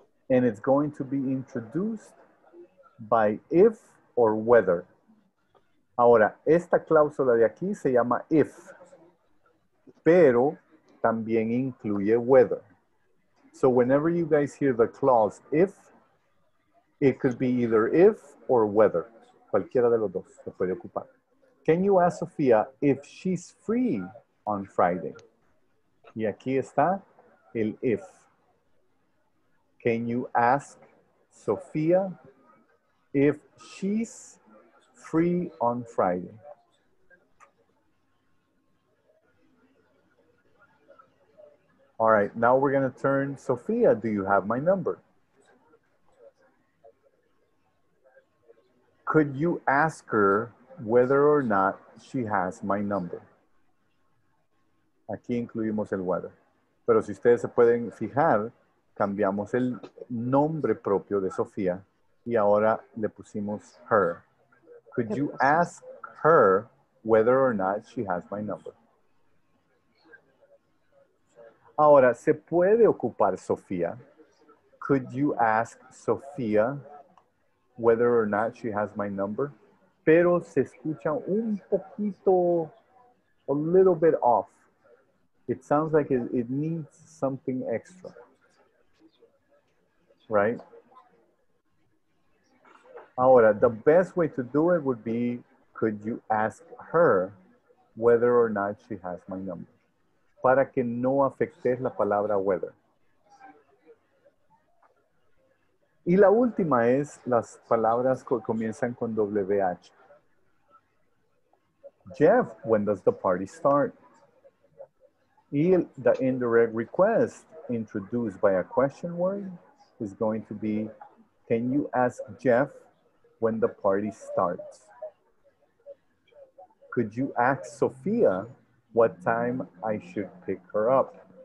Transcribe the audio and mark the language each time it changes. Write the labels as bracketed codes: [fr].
[en] And it's going to be introduced by if or whether. [es] Ahora, esta cláusula de aquí se llama if, pero también incluye whether. [en] So whenever you guys hear the clause if, it could be either if or whether. [es] Cualquiera de los dos se puede ocupar. [en] Can you ask Sofía if she's free on Friday? [es] Y aquí está el if. [en] Can you ask Sofía if she's free on Friday? All right, now we're going to turn. Sofía, do you have my number? Could you ask her whether or not she has my number? [es] Aquí incluimos el whether. Pero si ustedes se pueden fijar, cambiamos el nombre propio de Sofía y ahora le pusimos her. [en] Could you ask her whether or not she has my number? [es] Ahora, ¿se puede ocupar Sofía? [en] Could you ask Sofía whether or not she has my number? [es] Pero se escucha un poquito, [en] a little bit off. It sounds like it needs something extra. Right? [es] Ahora, [en] the best way to do it would be, could you ask her whether or not she has my number? [es] Para que no afectes la palabra whether. Y la última es las palabras que comienzan con WH. [en] Jeff, when does the party start? [es] Y [en] the indirect request introduced by a question word is going to be, can you ask Jeff when the party starts? Could you ask Sofía what time I should pick her up?